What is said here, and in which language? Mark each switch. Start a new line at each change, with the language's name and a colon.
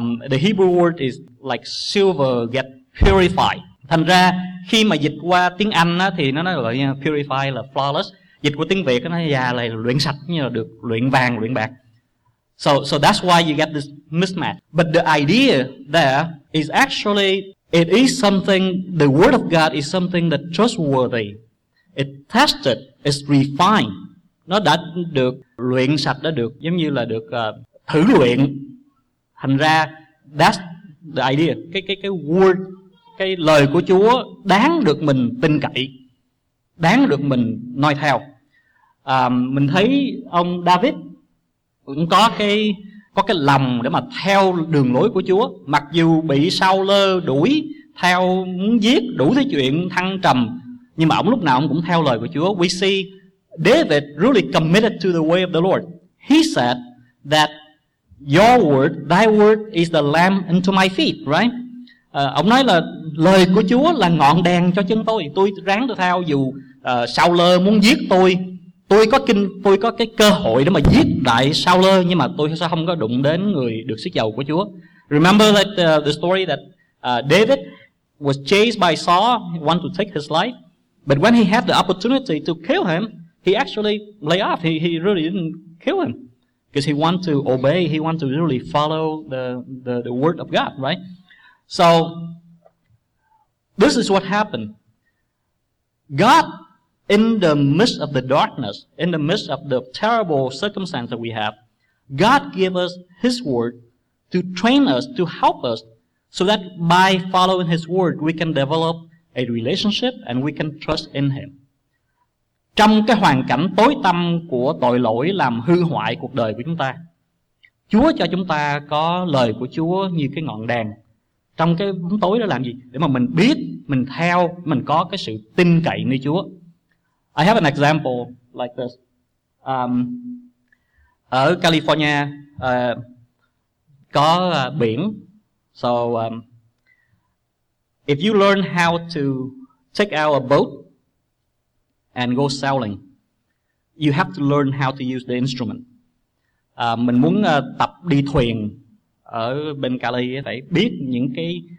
English: The Hebrew word is like silver get purified.
Vietnamese: Thành ra khi mà dịch qua tiếng Anh á, thì nó nói là purify là flawless. Dịch của tiếng Việt nó già là luyện sạch, như là được luyện vàng, luyện bạc.
English: So that's why you get this mismatch. But the idea there is actually, it is something, the word of God is something that trustworthy. It tested, it's refined.
Vietnamese: Nó đã được luyện sạch, đã được giống như là được thử luyện. Thành ra
English: that's the idea.
Vietnamese: Cái word, cái lời của Chúa đáng được mình tin cậy, đáng được mình noi theo. Mình thấy ông David cũng có cái lòng để mà theo đường lối của Chúa, mặc dù bị Saul lơ đuổi theo, muốn giết đủ thứ chuyện thăng trầm, nhưng mà ông lúc nào ông cũng theo lời của Chúa.
English: We see David really committed to the way of the Lord. He said that your word, thy word is the lamp unto my feet, right? Ông nói là lời của Chúa là ngọn đèn cho chân tôi ráng tôi theo, dù Saul lơ muốn giết tôi. Tôi có cái cơ hội để mà giết đại Saul, nhưng mà tôi sao không có đụng đến người được sức dầu của Chúa. Remember that the story that David was chased by Saul, he wanted to take his life, but when he had the opportunity to kill him, he actually lay off. He really didn't kill him because he wanted to obey, he wanted to really follow the word of God, right? So this is what happened. God, in the midst of the darkness, in the midst of the terrible circumstance that we have, God gave us His Word to train us, to help us, so that by following His Word, we can develop a relationship and we can trust in Him.
Vietnamese: Trong cái hoàn cảnh tối tăm của tội lỗi làm hư hoại cuộc đời của chúng ta, Chúa cho chúng ta có lời của Chúa như cái ngọn đèn. Trong cái bóng tối đó làm gì? Để mà mình biết, mình theo, mình có cái sự tin cậy nơi Chúa.
English: I have an example like this.
Vietnamese: Ở California có biển.
English: So if you learn how to take out a boat and go sailing, you have to learn how to use the instrument.
Vietnamese: Mình muốn tập đi thuyền ở bên Cali, phải biết những cái